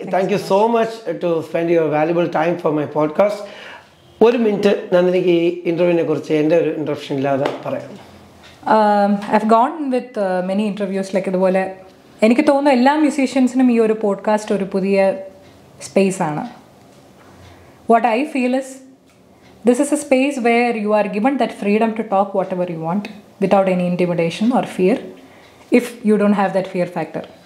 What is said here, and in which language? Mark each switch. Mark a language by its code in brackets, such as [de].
[en] Thank you so much to spend your valuable time for my podcast. [ml] ഒരു minute നന്ദിനിക്ക് ഈ ഇന്റർവ്യൂവിനെ കുറിച്ച് എന്റെ ഒരു ഇന്ററപ്ഷൻ ഇല്ലാതെ പറയാം. [en] I've gone with many interviews like [ml] ഇതുപോലെ. എനിക്ക് തോന്നുന്നു എല്ലാ മ്യൂസീഷ്യൻസിനും ഈ ഒരു പോഡ്കാസ്റ്റ് ഒരു പുതിയ സ്പേസ് ആണ്. [en] What I feel is this is a space where you are given that freedom to talk whatever you want without any intimidation or fear if you don't have that fear factor.